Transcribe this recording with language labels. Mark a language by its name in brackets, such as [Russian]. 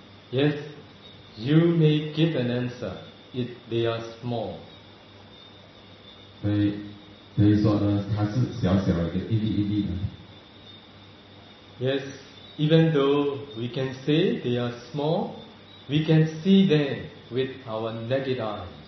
[English] Yes, you may give an answer if they are small. [Chinese] 所以说呢，它是小小一个一粒一粒的。 [English] Yes, even though we can say they are small, we can see them with our naked eyes.